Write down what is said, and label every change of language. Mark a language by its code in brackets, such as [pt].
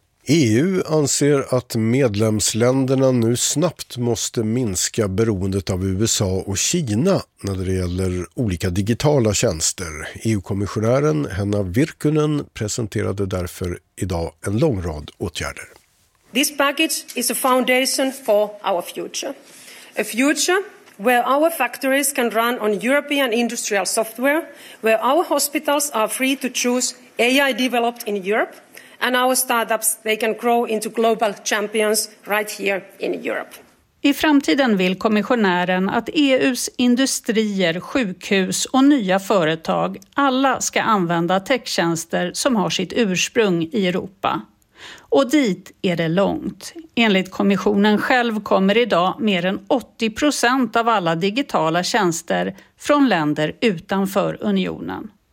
[sv] EU anser att medlemsländerna nu snabbt måste minska beroendet av USA och Kina när det gäller olika digitala tjänster. EU-kommissionären Henna Virkkunen presenterade därför idag en lång rad åtgärder. [en] This package is a foundation for our future. A future where our factories can run on European industrial software, where our hospitals are free to choose AI developed in Europe. And our startups, they can grow into global champions right here in Europe. [sv] I framtiden vill kommissionären att EU:s industrier, sjukhus och nya företag alla ska använda techtjänster som har sitt ursprung i Europa. Och dit är det långt. Enligt kommissionen själv kommer idag mer än 80% av alla digitala tjänster från länder utanför unionen.